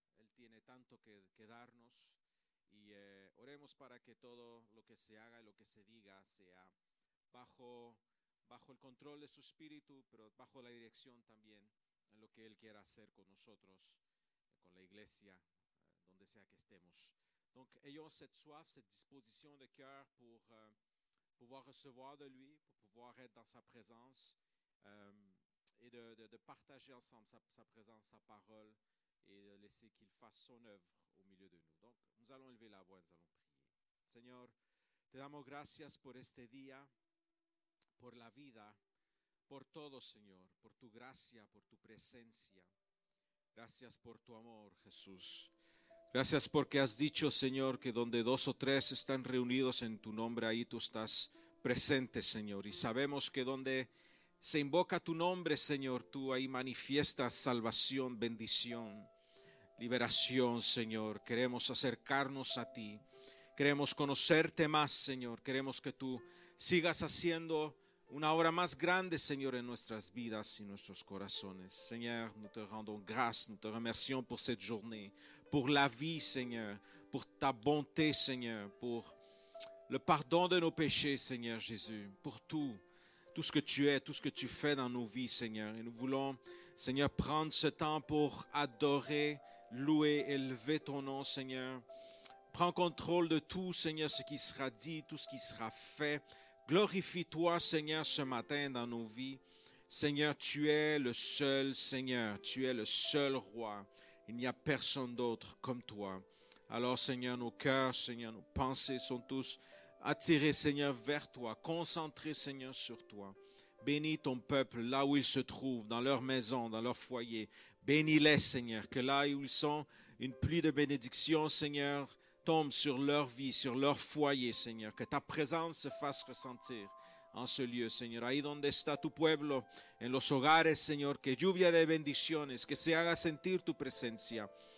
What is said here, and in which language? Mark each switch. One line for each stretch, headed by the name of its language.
Spanish: Él tiene tanto que darnos y oremos para que todo lo que se haga y lo que se diga sea bajo el control de su espíritu, pero bajo la dirección también en lo que Él quiera hacer con nosotros, con la iglesia, donde sea que estemos.
French: Donc, ayons cette soif, cette disposition de cœur pour pouvoir recevoir de lui, pour pouvoir être dans sa présence et de partager ensemble sa présence, sa parole et de laisser qu'il fasse son œuvre au milieu de nous. Donc, nous allons élever la voix, nous allons prier.
Spanish: Seigneur, te damos gracias por este día. Por la vida, por todo, Señor, por tu gracia, por tu presencia. Gracias por tu amor, Jesús. Gracias porque has dicho, Señor, que donde dos o tres están reunidos en tu nombre, ahí tú estás presente, Señor. Y sabemos que donde se invoca tu nombre, Señor, tú ahí manifiestas salvación, bendición, liberación, Señor. Queremos acercarnos a ti. Queremos conocerte más, Señor. Queremos que tú sigas haciendo una obra más grande, Señor, en nuestras vidas y nuestros corazones.
French: Señor, nous te rendons grâce, nous te remercions pour cette journée, pour la vie, Señor, pour ta bonté, Señor, pour le pardon de nos péchés, Señor Jésus, pour tout, tout ce que tu es, tout ce que tu fais dans nos vies, Señor. Et nous voulons, Señor, prendre ce temps pour adorer, louer, élever ton nom, Señor. Prends contrôle de tout, Señor, ce qui sera dit, tout ce qui sera fait. Glorifie-toi, Seigneur, ce matin dans nos vies. Seigneur, tu es le seul Seigneur, tu es le seul Roi. Il n'y a personne d'autre comme toi. Alors, Seigneur, nos cœurs, Seigneur, nos pensées sont tous attirés, Seigneur, vers toi, concentrés, Seigneur, sur toi. Bénis ton peuple là où ils se trouvent, dans leur maison, dans leur foyer. Bénis-les, Seigneur, que là où ils sont, une pluie de bénédictions, Seigneur, tombe sur leur vie, sur leur foyer, Seigneur. Que ta présence se fasse ressentir en ce lieu, Seigneur.
Spanish: Ahí donde está tu pueblo, en los hogares, Seigneur. Que lluvia de bendiciones, que se haga sentir tu presencia.